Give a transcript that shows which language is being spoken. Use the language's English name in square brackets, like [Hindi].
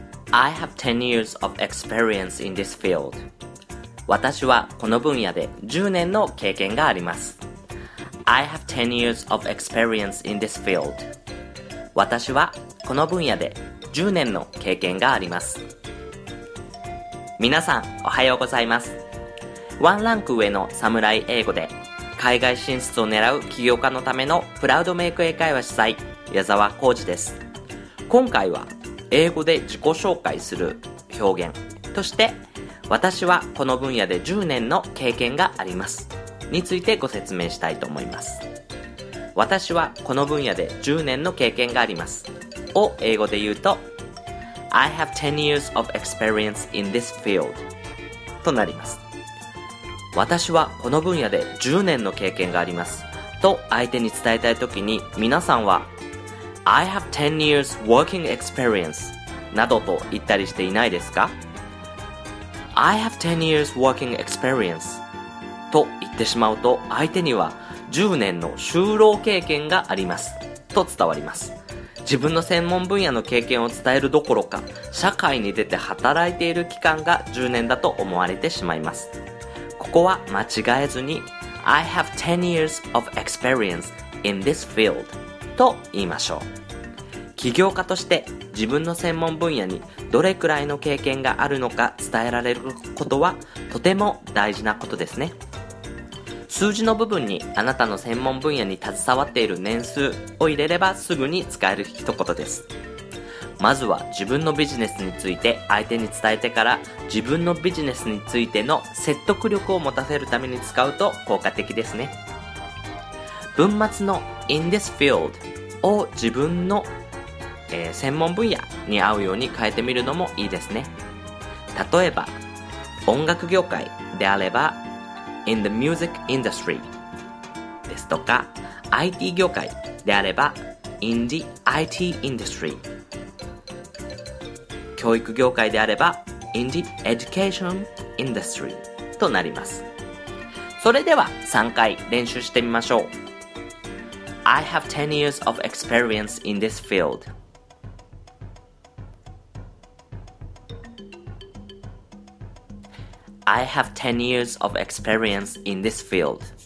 [English] I have 10 years of experience in this field. [Japanese] 私はこの分野で10年の経験があります。 [English] I have 10 years of experience in this field. [Japanese] 私はこの分野で10年の経験があります。皆さん、おはようございます。ワンランク上の侍英語で、海外進出を狙う起業家のためのプラウドメイク英会話主催、矢沢浩二です。今回は、英語で自己紹介する表現として、私はこの分野で10年の経験があります。についてご説明したいと思います。私はこの分野で10年の経験があります。を英語で言うと、 [English] I have 10 years of experience in this field [Japanese] となります。私はこの分野で10年の経験があります。と相手に伝えたいときに皆さんは、 [English] I have 10 years working experience [Japanese] などと言ったりしていないですか？ [English] I have 10 years working experience [Japanese] と言ってしまうと相手には10年の就労経験がありますと伝わります。自分の専門分野の経験を伝えるどころか社会に出て働いている期間が10年だと思われてしまいます。ここは間違えずに [English] I have 10 years of experience in this field [Japanese] と言いましょう。起業家として自分の専門分野にどれくらいの経験があるのか伝えられることはとても大事なことですね。数字の部分にあなたの専門分野に携わっている年数を入れればすぐに使える一言です。まずは自分のビジネスについて相手に伝えてから自分のビジネスについての説得力を持たせるために使うと効果的ですね。文末の [English] in this field [Japanese] を自分の、専門分野に合うように変えてみるのもいいですね。例えば音楽業界であれば [English] in the music industry [Japanese] ですとか IT 業界であれば [English] in the IT industry、 [Japanese] 教育業界であれば [English] in the education industry [Japanese] となります。それでは3回練習してみましょう。 [English] I have 10 years of experience in this field. I have 10 years of experience in this field.